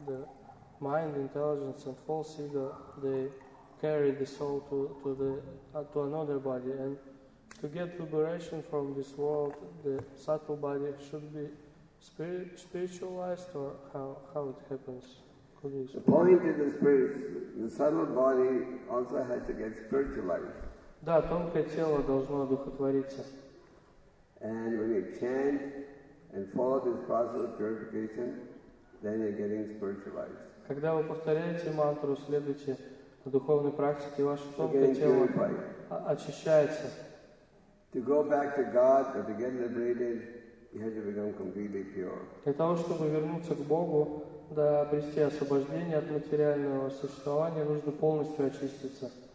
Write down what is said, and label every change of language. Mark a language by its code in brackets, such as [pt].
[en] The mind, intelligence, and false ego, they carry the soul to another body. And to get liberation from this world, the subtle body should be spiritualized, or how it happens? The point is the spirit. The subtle body also has to get spiritualized. [ru] Да, тонкое тело должно одухотвориться. [en] And when you chant and follow this process of purification, then you're getting spiritualized. [ru] Когда вы повторяете мантру, следуете духовной практике, ваше тонкое тело очищается. [en] To go back to God or to get liberated, [ru] Для того, чтобы вернуться к Богу, да, обрести освобождение от материального существования, нужно полностью очиститься.